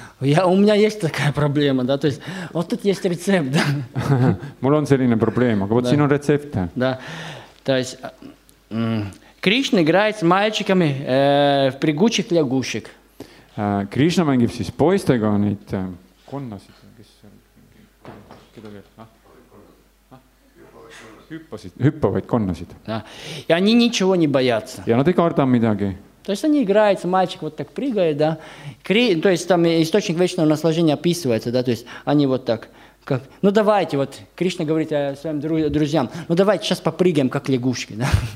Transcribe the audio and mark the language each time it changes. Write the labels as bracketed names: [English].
[Russian] У меня есть такая проблема, да, то есть вот тут есть рецепт, да. [Estonian] Mul on selline probleem, aga [Russian] вот [Estonian] siin on retsept. [Russian] Да, то есть Кришна играет с мальчиками в прыгучих лягушек. [Estonian] Кришна мängib siis poistega neid konnasid, kes hüppavaid konnasid. Ja [Russian] они ничего не боятся. [Estonian] Ja nad ei karda midagi. [Russian] То есть они играются, мальчик вот так прыгает, да. То есть там источник вечного наслаждения описывается, да. То есть они вот так, как, ну давайте, вот Кришна говорит своим друзьям, ну давайте сейчас попрыгаем, как лягушки, да.